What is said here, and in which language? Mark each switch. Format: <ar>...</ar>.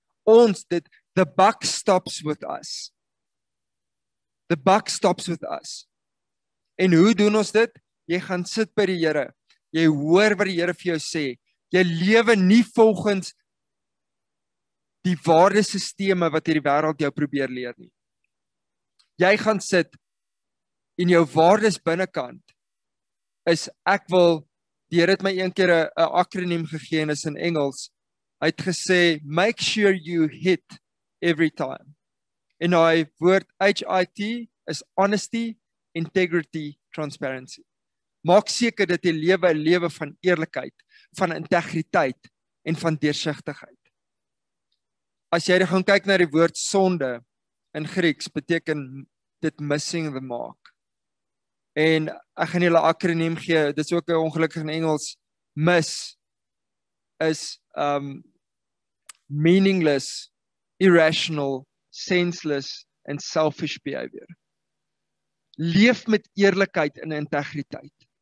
<af>Ons, dit,</af> <en>the buck stops with us. The buck stops with us.</en> <af>En hoe doen ons dit? Jy gaan sit by die Here. Jy hoor wat die Here vir jou sê. Jy lewe nie volgens die waardesisteme wat hierdie wêreld jou probeer leer nie. Jy gaan sit en jou waardes binnenkant is ek wil, die Here het my een keer een akroniem gegee en is in Engels, hy het gesê,</af> <en>make sure you hit every time.</en> <af>En hy woord HIT is</af> <en>honesty, integrity, transparency.</en> <af>Maak seker dat jy lewe een lewe van eerlikheid, van integriteit en van deursigtigheid. As jy gaan kyk na die woord sonde in Grieks, beteken dit</af> <en>missing the mark.</en> <af>En ek gaan julle akroniem gee, dit is ook een ongelukkig in Engels,</af> <en>miss is meaningless, irrational, senseless and selfish behavior.</en> <af>Leef met eerlikheid en integriteit.</af>